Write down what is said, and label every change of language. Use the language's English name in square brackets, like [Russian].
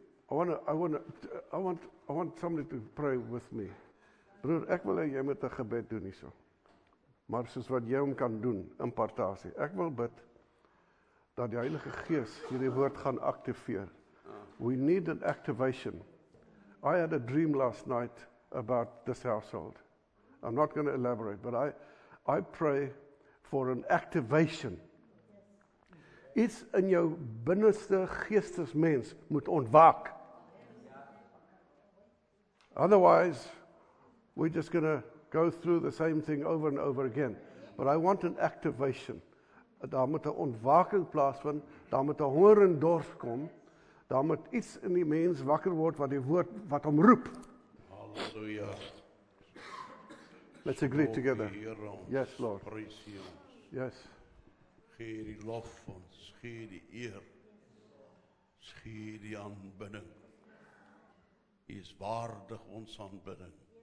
[English] I want somebody to pray with me. [Afrikaans] Broer, ek wil hê jy moet 'n gebed doen hierso. Maar soos wat jy hom kan doen, impartasie. Ek wil bid dat die Heilige Gees hierdie woord gaan aktiveer. [English] We need an activation. I had a dream last night about this household. I'm not going to elaborate, but I pray for an activation. [Afrikaans] Iets in jou binneste geestesmens moet ontwaak. [English] Otherwise, we're just going to go through the same thing over and over again. But I want an activation. [Afrikaans] Daar moet 'n ontwaking plaasvind, daar moet 'n honger en dors kom, daar moet iets in die mens wakker word wat die woord wat hom roep. Halleluja. [English] Let's agree together. Yes, Lord. Yes. [Afrikaans] Gee die lof ons, gee die eer, gee die aanbidding. U is waardig ons aanbidding.